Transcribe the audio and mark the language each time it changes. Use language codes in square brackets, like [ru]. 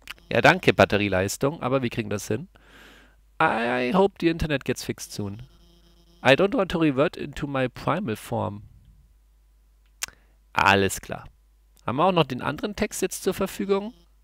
[de] Ja, danke, Batterieleistung, aber wir kriegen das hin. [en] I hope the internet gets fixed soon. I don't want to revert into my primal form. [de] Alles klar. Haben wir auch noch den anderen Text jetzt zur Verfügung?